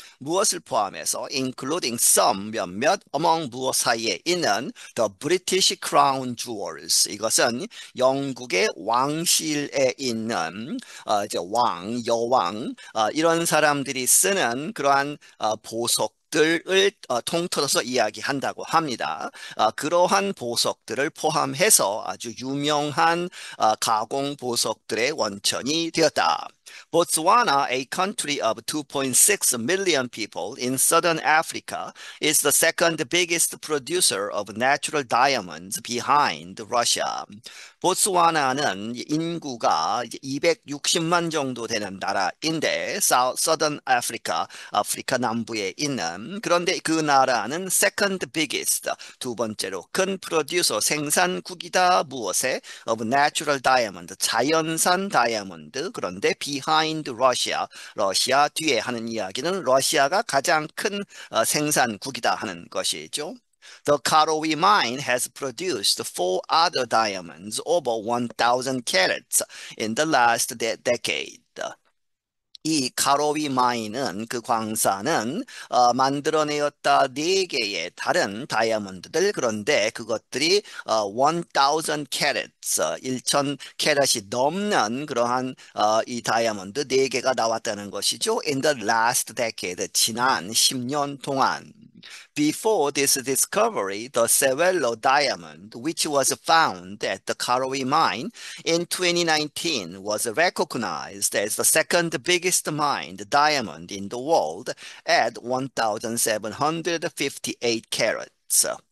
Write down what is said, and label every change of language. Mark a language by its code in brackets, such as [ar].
[ko] 무엇을 포함해서 [en] including some [ko] 몇몇 [en] among [ko] 무엇 사이에 있는 [en] the British crown jewels [ko] 이것은 영국의 왕실에 있는 이제 왕, 여왕 이런 사람들이 쓰는 그러한 보석 들을 통틀어서 이야기한다고 합니다. 그러한 보석들을 포함해서 아주 유명한 가공 보석들의 원천이 되었다. [en] Botswana, a country of 2.6 million people in southern Africa, is the second biggest producer of natural diamonds behind Russia. [ko] 보츠와나는 인구가 260만 정도 되는 나라인데, Southern Africa, 아프리카 남부에 있는. 그런데 그 나라는 [en] second biggest, [ko] 두 번째로 큰 [en] producer, [ko] 생산국이다. 무엇에? [en] Of natural diamond, [ko] 자연산 다이아몬드. 그런데 [en] behind Russia, [ko] 러시아 뒤에 하는 이야기는 러시아가 가장 큰 생산국이다 하는 것이죠. [en] The Karowe mine has produced four other diamonds over 1,000 carats in the last de decade. [ko] 이 카로위 마인은 그 광산은 만들어내었다 네 개의 다른 다이아몬드들. 그런데 그것들이 1,000 캐럿스, 1,000 캐럿이 넘는 그러한 이 다이아몬드 네 개가 나왔다는 것이죠. [en] In the last decade, [ko] 지난 10년 동안. [en] Before this discovery, the Sewelo diamond, which was found at the Karowe mine in 2019, was recognized as the second biggest mined diamond in the world at 1,758 carats.